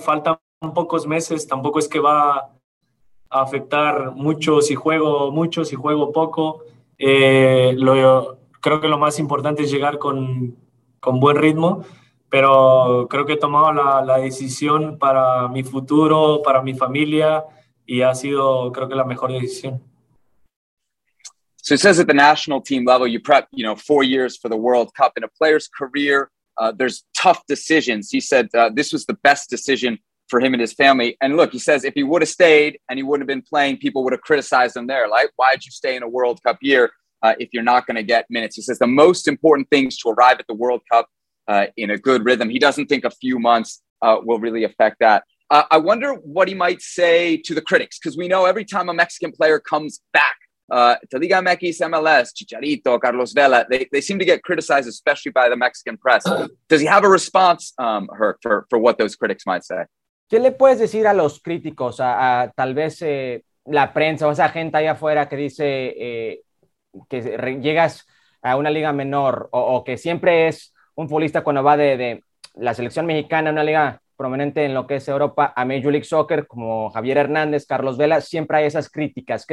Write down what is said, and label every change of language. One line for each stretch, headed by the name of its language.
Spanish: Faltan pocos meses, tampoco es que va a afectar mucho si juego poco. Creo que lo más importante es llegar con buen ritmo, pero creo que he tomado la decisión para mi futuro, para mi familia, y ha sido, creo que, la mejor decisión.
English: So it says at the national team level, you prep, you know, 4 years for the World Cup. In a player's career, there's tough decisions. He said this was the best decision for him and his family. And look, he says if he would have stayed and he wouldn't have been playing, people would have criticized him there. Like, why'd you stay in a World Cup year if you're not going to get minutes? He says the most important things to arrive at the World Cup in a good rhythm. He doesn't think a few months will really affect that. I wonder what he might say to the critics, because we know every time a Mexican player comes back, to Liga MX, MLS, Chicharito, Carlos Vela, they seem to get criticized, especially by the Mexican press. Does he have a response, Herc, for what those critics might say?
Spanish: ¿Qué le puedes decir a los críticos, a tal vez la prensa o esa gente allá afuera que dice que llegas a una liga menor o que siempre es un futbolista cuando va de la selección mexicana a una liga prominente en lo que es Europa, a Major League Soccer, como Javier Hernández, Carlos Vela, siempre hay esas críticas?